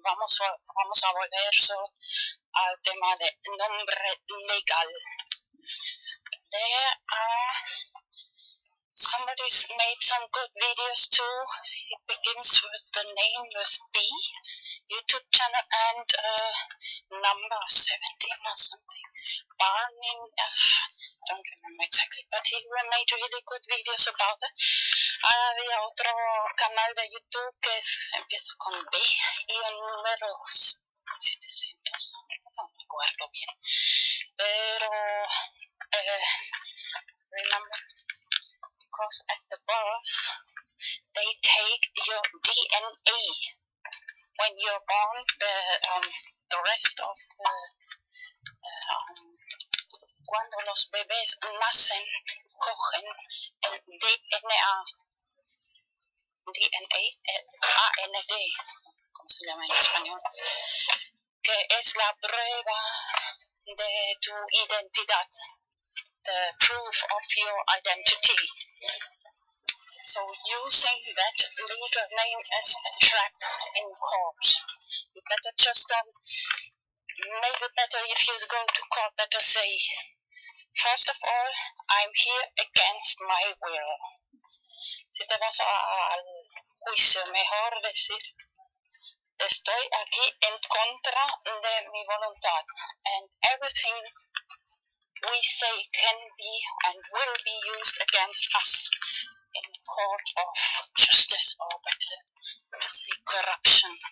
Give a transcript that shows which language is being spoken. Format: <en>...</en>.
<es>Vamos a volver al tema de nombre legal.</es> <en>There are somebody's made some good videos too. It begins with the name with B, YouTube channel, and number 17 or something. Barney F. Don't remember exactly, but he made really good videos about it.</en> <es>Ah, había otro canal de YouTube que empieza con B y un número 700, no me acuerdo bien.</es> <en>Pero, remember, because at the birth, they take your DNA. When you're born, the rest of</en> <es>cuando los bebés nacen, cogen el DNA. DNA, AND, ¿cómo se llama en español? Que es la prueba de tu identidad,</es> <en>the proof of your identity. So using that legal name as a trap in court, you better just, maybe better if you go to court, better say, first of all, I'm here against my will.</en> <es>Si te vas al juicio, mejor decir, estoy aquí en contra de mi voluntad.</es> <en>And everything we say can be and will be used against us in court of justice, or better to say corruption.</en>